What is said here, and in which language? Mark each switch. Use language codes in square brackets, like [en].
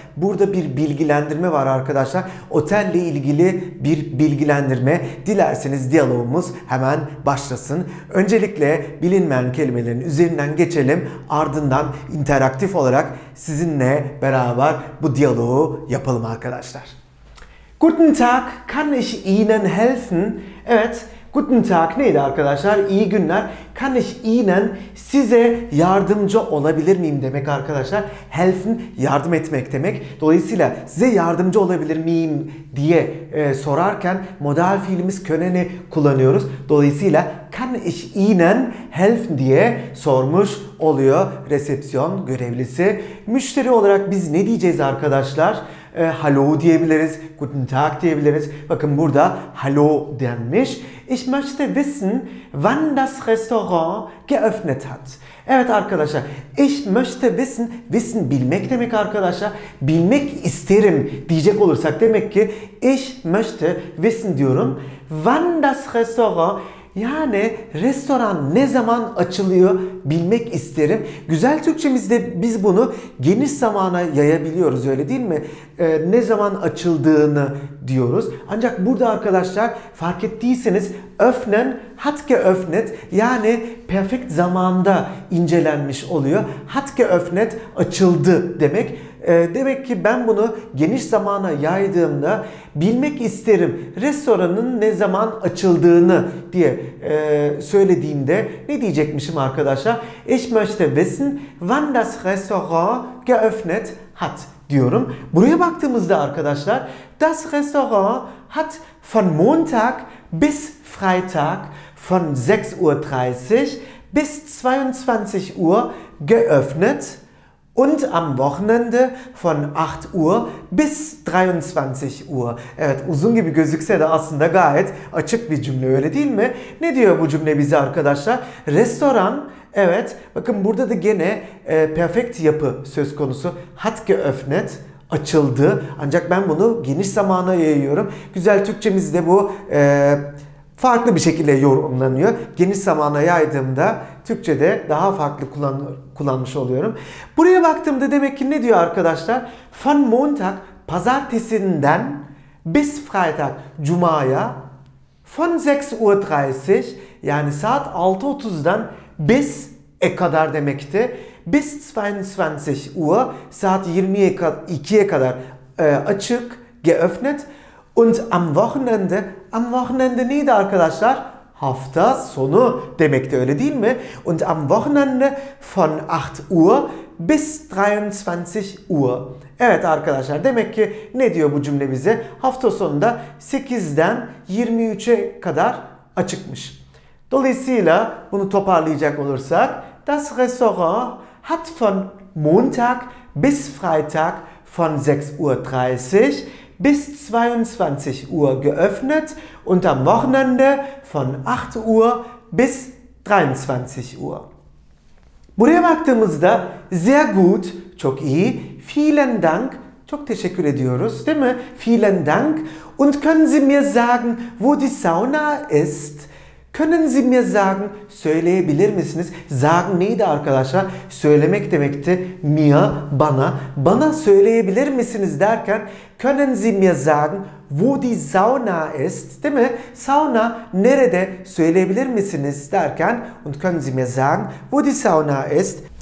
[tr] Burada bir bilgilendirme var arkadaşlar. Otelle ilgili bir bilgilendirme. Dilerseniz diyalogumuz hemen başlasın. Öncelikle bilinmeyen kelimelerin üzerinden geçelim. Ardından interaktif olarak sizinle beraber bu diyaloğu yapalım arkadaşlar. [de] Guten Tag, kann ich Ihnen helfen? [tr] Evet, [de] Guten Tag [tr] neydi arkadaşlar? İyi günler. [de] Kann ich Ihnen, [tr] size yardımcı olabilir miyim demek arkadaşlar. Helfen, yardım etmek demek. Dolayısıyla size yardımcı olabilir miyim diye sorarken modal fiilimiz können'i kullanıyoruz. Dolayısıyla [de] kann ich Ihnen helfen [tr] diye sormuş oluyor resepsiyon görevlisi. Müşteri olarak biz ne diyeceğiz arkadaşlar? Hallo diyebiliriz, Guten Tag diyebiliriz. Bakın burada hallo denmiş. [de] Ich möchte wissen, wann das Restaurant geöffnet hat. [tr] Evet arkadaşlar, [de] ich möchte wissen, wissen [tr] bilmek demek arkadaşlar. Bilmek isterim diyecek olursak demek ki [de] ich möchte wissen [tr] diyorum. [de] Wann das Restaurant, [tr] yani restoran ne zaman açılıyor bilmek isterim. Güzel Türkçemizde biz bunu geniş zamana yayabiliyoruz, öyle değil mi? Ne zaman açıldığını diyoruz. Ancak burada arkadaşlar fark ettiyseniz [de] öffnen, hat geöffnet, [tr] yani perfekt zamanda incelenmiş oluyor. [de] Hat geöffnet, [tr] açıldı demek. Demek ki ben bunu geniş zamana yaydığımda bilmek isterim restoranın ne zaman açıldığını diye söylediğimde ne diyecekmişim arkadaşlar? [de] Ich möchte wissen, wann das Restaurant geöffnet hat [tr] diyorum. Buraya baktığımızda arkadaşlar, [de] das Restaurant hat von Montag bis Freitag von 6:30 bis 22:00 geöffnet. Und am Wochenende von 8:00 bis 23:00. [tr] Evet, uzun gibi gözükse de aslında gayet açık bir cümle, öyle değil mi? Ne diyor bu cümle bize arkadaşlar? Restoran, evet bakın burada da gene perfect yapı söz konusu. [de] Hat geöffnet, [tr] açıldı. Ancak ben bunu geniş zamana yayıyorum. Güzel Türkçemizde bu farklı bir şekilde yorumlanıyor. Geniş zamana yaydığımda Türkçe'de daha farklı kullanmış oluyorum. Buraya baktığımda demek ki ne diyor arkadaşlar? [de] Von Montag, [tr] pazartesinden [de] bis Freitag, [tr] cumaya, [de] von 6:30, [tr] yani saat 6:30'dan bis kadar demekti. [de] Bis 22:00, [tr] saat 22'ye kadar açık, geöffnet. [de] Und am Wochenende, am Wochenende [tr] neydi arkadaşlar? Hafta sonu demekti, öyle değil mi? [de] Und am Wochenende von 8:00 bis 23:00. [tr] Evet arkadaşlar, demek ki ne diyor bu cümle bize? Hafta sonunda 8'den 23'e kadar açıkmış. Dolayısıyla bunu toparlayacak olursak, [de] das Restaurant hat von Montag bis Freitag von 6:30 bis 22:00 geöffnet und am Wochenende von 8:00 bis 23:00. [tr] Buraya baktığımızda [de] sehr gut, [tr] çok iyi, [de] vielen Dank, [tr] çok teşekkür ediyoruz değil mi? [de] Vielen Dank. Und können Sie mir sagen, wo die Sauna ist? Können Sie mir sagen, [tr] söyleyebilir misiniz? Sagen neydi arkadaşlar? Söylemek demekti. Mir, bana. Bana söyleyebilir misiniz derken [de] können Sie mir sagen, wo die Sauna ist? [tr] Değil mi? Sauna nerede, söyleyebilir misiniz derken [de] und können Sie mir sagen, wo die Sauna ist?